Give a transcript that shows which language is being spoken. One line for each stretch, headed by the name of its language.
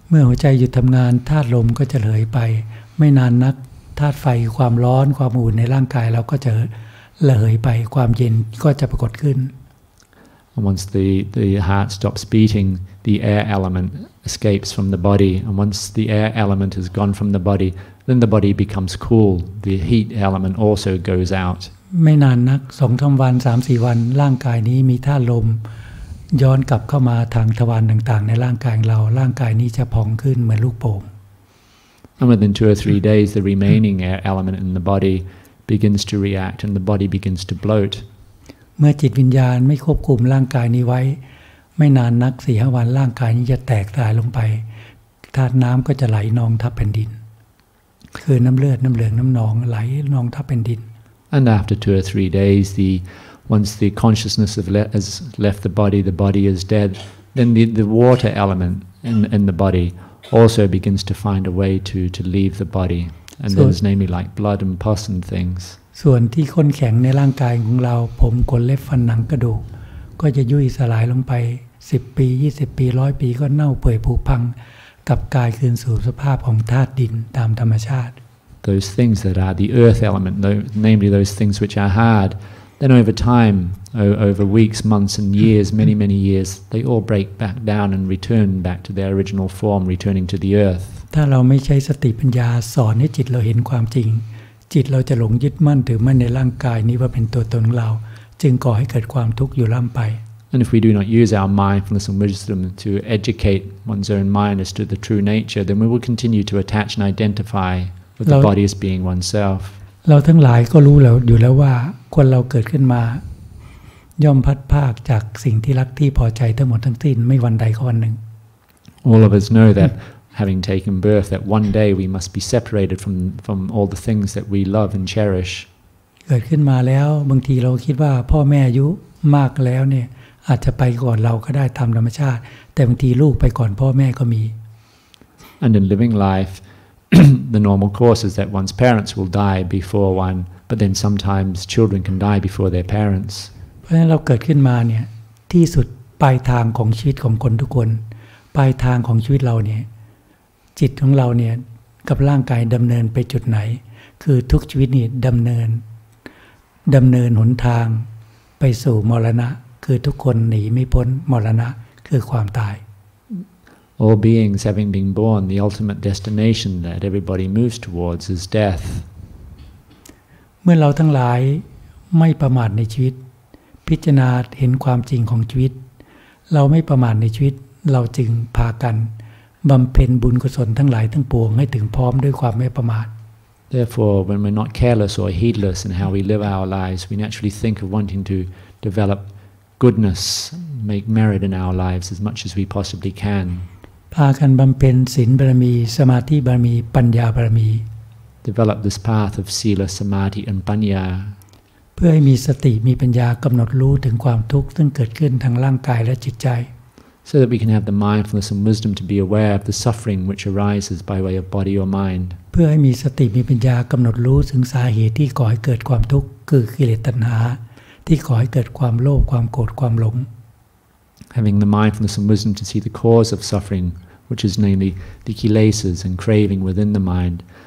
Thai: เมื่อหัวใจหยุดทำงานธาตุลมก็จะเหลยไปไม่นานนักธาตุไฟความร้อนความอุ่นในร่างกายเราก็จะเหลยไปความเย็นก็จะปรากฏขึ้น
English: And once the heart stops beating, the air element escapes from the body. And once the air element has gone from the body, then the body becomes cool. The heat element also goes out.
Thai: ไม่นานนักสองสามวันสามสี่วันร่างกายนี้มีธาตุลมย้อนกลับเข้ามาทางทวารต่างๆในร่างกายเราร่างกายนี้จะพองขึ้นเหมือนลูกโป่ง
English: And within two or three days the remaining air element in the body begins to react and the body begins to bloat
Thai: เมื่อจิตวิญญาณไม่ควบคุมร่างกายนี้ไว้ไม่นานนักสี่ห้าวันร่างกายนี้จะแตกตายลงไปธาตุน้ำก็จะไหลนองทับแผ่นดินคือน้ำเลือดน้ำเหลืองน้ำหนองไหลนองทับแผ่นดิน
English: And after two or three days, once the consciousness has left the body is dead, then the water element in the body also begins to find a way to leave the body. And there's namely like blood and pus and things.
Thai: ส่วนที่ข้นแข็งในร่างกายของเราผมขนเล็บฟันหนังกระดูกก็จะยุ่ยสลายลงไป10ปี20ปี100ปีก็เน่าเปื่อยผุพังกลับกายคืนสู่สภาพของธาตุดินตามธรรมชาติ
English: Those things that are the earth element, namely those things which are hard, then over time, over weeks, months, and years, many, many years, they all break back down and return back to their original form, returning to the earth.
Thai: ถ้าเราไม่ใช้สติปัญญาสอนให้จิตเราเห็นความจริงจิตเราจะหลงยึดมั่นถือมั่นในร่างกายนี้ว่าเป็นตัวตนเราจึงก่อให้เกิดความทุกข์อยู่ล่ำไป
English: And if we do not use our mindfulness and wisdom to educate one's own mind as to the true nature, then we will continue to attach and identify. With the body as being oneself.
Thai: เราทั้งหลายก็รู้แล้วอยู่แล้วว่าคนเราเกิดขึ้นมาย่อมพัดพากจากสิ่งที่รักที่พอใจทั้งหมดทั้งสิ้นไม่วันใดก็วันหนึ่ง
English: All of us know that having taken birth, that one day we must be separated from all the things that we love and cherish.
Thai: เกิดขึ้นมาแล้วบางทีเราคิดว่าพ่อแม่อายุมากแล้วเนี่ยอาจจะไปก่อนเราก็ได้ตามธรรมชาติแต่บางทีลูกไปก่อนพ่อแม่ก็มี
English: And in living life. The normal course is that one's parents will die before one, but then sometimes children can die before their parents.
Thai: เพราะฉะนั้นเราเกิดขึ้นมาเนี่ยที่สุดปลายทางของชีวิตของคนทุกคนปลายทางของชีวิตเราเนี่ยจิตของเราเนี่ยกับร่างกายดำเนินไปจุดไหนคือทุกชีวิตนี่ดำเนินหนทางไปสู่มรณะคือทุกคนหนีไม่พ้นมรณะคือความตาย
English: All beings having been born, the ultimate destination that everybody moves towards is death.
Thai: เมื่อเราทั้งหลายไม่ประมาทในชีวิตพิจารณาเห็นความจริงของชีวิตเราไม่ประมาทในชีวิตเราจึงพากันบำเพ็ญบุญกุศลทั้งหลายทั้งปวงให้ถึงพร้อมด้วยความไม่ประมาท
English: Therefore, when we're not careless or heedless in how we live our lives, we naturally think of wanting to develop goodness, make merit in our lives as much as we possibly can.
Thai: พากันบำเพ็ญศีลบารมีสมาธิบารมีปัญญาบารมี
English: develop this path of sila samadhi and panya
Thai: เพื่อให้มีสติมีปัญญากำหนดรู้ถึงความทุกข์ซึ่งเกิดขึ้นทั้งร่างกายและจิตใจ
English: so that we can have the mindfulness and wisdom to be aware of the suffering which arises by way of body or mind
Thai: เพื่อให้มีสติมีปัญญากำหนดรู้ถึงสาเหตุที่ก่อให้เกิดความทุกข์คือกิเลสตัณหาที่ก่อให้เกิดความโลภความโกรธความหลง
English: Having the mindfulness and wisdom to see the cause of suffering, which is namely the kilesas and craving within the mind.